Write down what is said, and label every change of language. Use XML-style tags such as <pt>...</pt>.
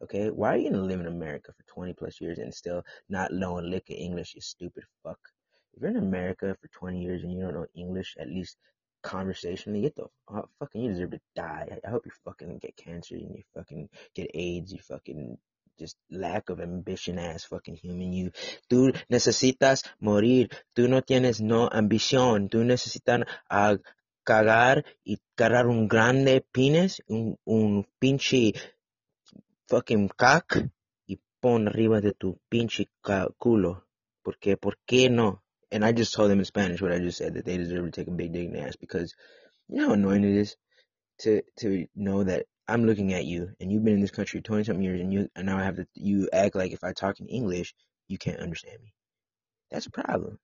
<en>Okay, why are you gonna live in America for 20 plus years and still not know a lick of English, you stupid fuck? If you're in America for 20 years and you don't know English, at least conversationally, get the fucking, you deserve to die. I hope you fucking get cancer and you fucking get AIDS, you fucking just lack of ambition ass fucking human. You,</en> <es>tú necesitas morir, tú no tienes no ambición, tú necesitas a cagar y cargar un grande penis, un pinche</es> <en>fucking cock,</en> <es>y pon arriba de tu pinche culo. ¿Por qué no?</es> <en>And I just told them in Spanish what I just said, that they deserve to take a big dig in the ass, because you know how annoying it is to know that I'm looking at you and you've been in this country 20 something years and now I have to, you act like if I talk in English, you can't understand me. That's a problem.</en>